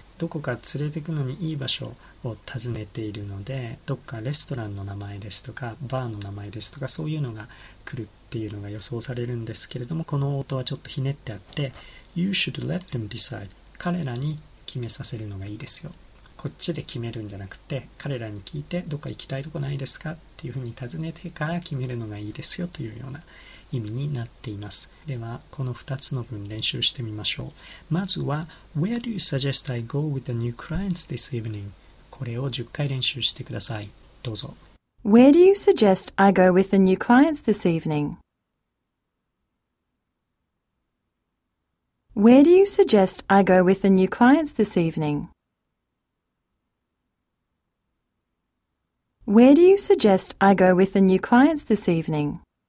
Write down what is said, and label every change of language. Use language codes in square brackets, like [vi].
[ja] どこか連れてくのにいい場所を尋ねているので、どこかレストランの名前ですとかバーの名前ですとか、そういうのが来るっていうのが予想されるんですけれども、この音はちょっとひねってあって、 [en] You should let them decide、 [ja] 彼らに決めさせるのがいいですよ。こっちで決めるんじゃなくて、彼らに聞いてどっか行きたいとこないですかっていうふうに尋ねてから決めるのがいいですよ、というような意味になっています。ではこの2つの文練習してみましょう。まずは [en] Where do you suggest I go with the new clients this evening? [ja] これを10回練習してください。どうぞ。 [en] Where do you suggest I go with the new clients this evening? Where do you suggest I go with the new clients this evening? Where do you suggest I go with the new clients this evening?